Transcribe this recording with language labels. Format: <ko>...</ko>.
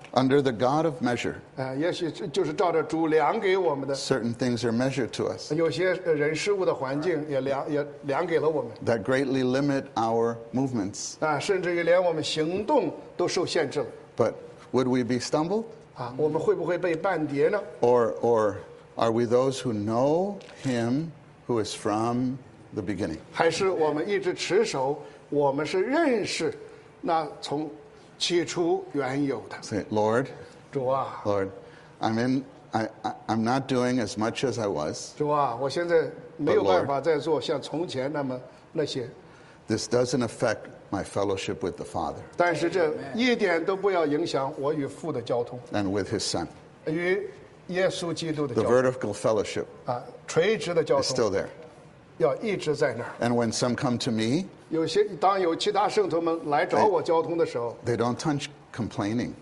<en>under the God of measure,</en> <zh>也许就是照着主量给我们的,</zh> <en>certain things are measured to us,</en> <zh>有些人事物的环境也量给了我们,</zh> <en>that greatly limit our movements,</en> <zh>甚至于连我们行动都受限制了。</zh> <en>But would we be stumbled?</en> <zh>我们会不会被绊跌呢?</zh> <en>Or are we those who know him who is from the beginning?</en> <zh>还是我们一直持守, 我们是认识那从起初原有的。</zh> <en>Say, Lord,</en> <zh>主啊,</zh> <en>Lord, I'm not doing as much as I was.</en> <zh>主啊, 我现在没有办法再做像从前那么那些。</zh> <en>This doesn't affect my fellowship with the Father.</en> <zh>但是这一点都不要影响我与父的交通。</zh> <en>And with his Son.</en> <zh>与耶稣基督的交通。</zh> <en>The vertical fellowship,</en> <zh>垂直的交通,</zh> <en>is still there.</en> <zh>要一直在那儿。</zh> <en>And when some come to me,</en> <zh>有些当有其他圣徒们来找我交通的时候</zh> <en>，They don't touch complaining.</en>